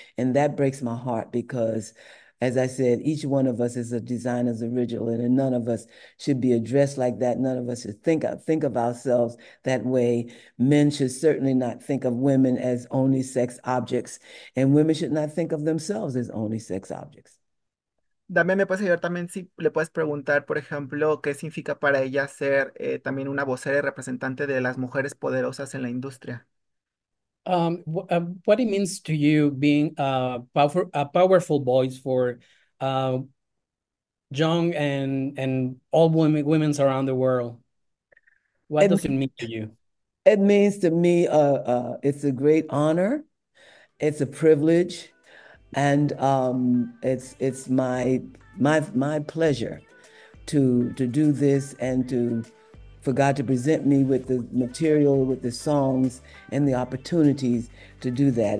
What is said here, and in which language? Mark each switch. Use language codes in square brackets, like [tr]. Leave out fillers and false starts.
[en] And that breaks my heart because, as I said, each one of us is a designer's original, and none of us should be addressed like that. None of us should think of ourselves that way. Men should certainly not think of women as only sex objects, and women should not think of themselves as only sex objects. [es] También me puedes ayudar también si le puedes preguntar, por ejemplo, qué significa para ella ser también una vocera y representante de las mujeres poderosas en la industria. [en] What it means to you being a powerful voice for young and all women around the world? What does it mean to you? It means to me it's a great honor, it's a privilege, and it's my pleasure to do this and to for God to present me with the material, with the songs, and the opportunities to do that.